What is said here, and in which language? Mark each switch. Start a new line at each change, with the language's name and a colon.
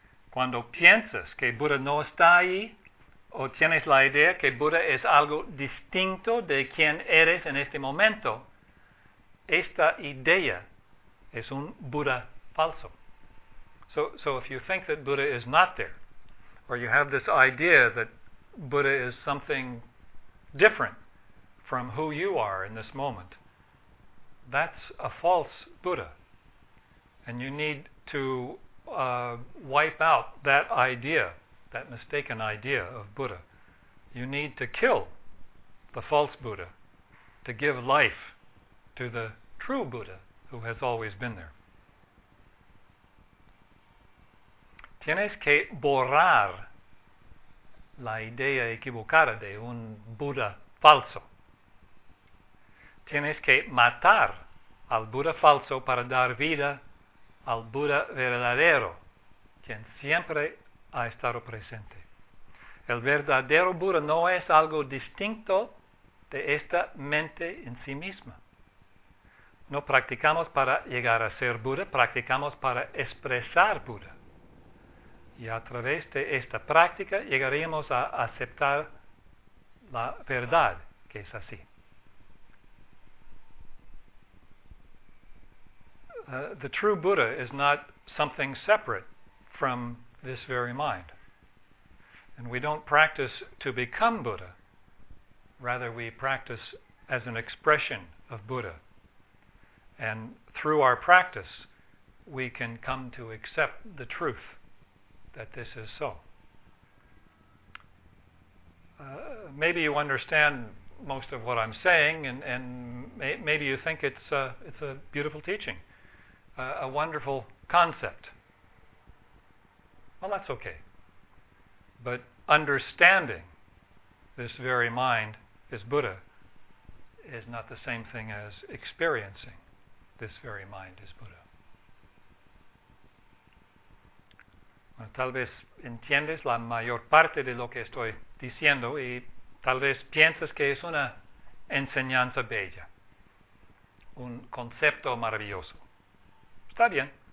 Spanish: Cuando piensas que Buda no está allí, o tienes la idea que Buda es algo distinto de quien eres en este momento, esta idea es un Buddha falso.
English: So if you think that Buddha is not there, or you have this idea that Buddha is something different from who you are in this moment, that's a false Buddha. And you need to wipe out that idea, that mistaken idea of Buddha. You need to kill the false Buddha to give life to the true Buddha who has always been there.
Spanish: Tienes que borrar la idea equivocada de un Buddha falso. Tienes que matar al Buddha falso para dar vida al Buddha verdadero, quien siempre ha estado presente. El verdadero Buddha no es algo distinto de esta mente en sí misma. No practicamos para llegar a ser Buda, practicamos para expresar Buda. Y a través de esta práctica llegaríamos a aceptar la verdad que es así.
English: The true Buddha is not something separate from this very mind. And we don't practice to become Buddha. Rather, we practice as an expression of Buddha. And through our practice, we can come to accept the truth that this is so. Maybe you understand most of what I'm saying, and maybe you think it's a beautiful teaching, a wonderful concept. Well, that's okay. But understanding this very mind, this Buddha, is not the same thing as experiencing this very mind is Buddha.
Spanish: Bueno, tal vez entiendes la mayor parte de lo que estoy diciendo y tal vez piensas que es una enseñanza bella, un concepto maravilloso. Está bien.